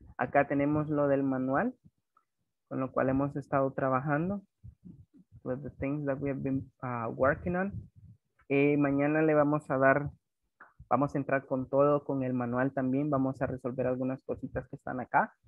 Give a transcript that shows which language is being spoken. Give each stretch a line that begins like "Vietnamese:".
Spanish: Acá tenemos lo del manual, con lo cual hemos estado trabajando.
English: With the things that we have been working on.
Spanish: Mañana le vamos a dar, vamos a entrar con todo, con el manual también. Vamos a resolver algunas cositas que están acá.